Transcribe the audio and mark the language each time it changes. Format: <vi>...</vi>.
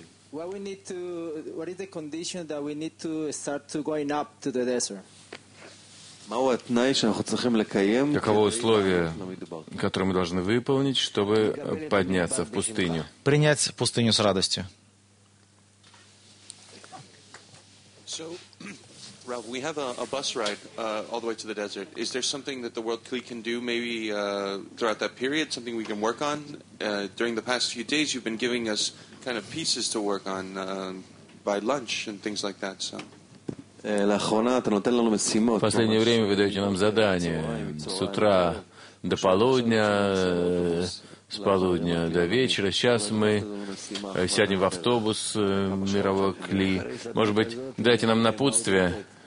<ru>Каково условие, которое мы должны выполнить, чтобы подняться в пустыню? Принять пустыню с радостью.</ru> <en>So, Ralph, we have a bus ride all the way to the desert. Is there something that the World Clique can do maybe throughout that period, something we can work on? During the past few days, you've been giving us kind of pieces to work on by lunch and things like that. So.</en> <ru>В последнее время вы даете нам задания с утра до полудня, с полудня до вечера. Сейчас мы сядем в автобус мирового кли. Может быть, дайте нам напутствие.</ru>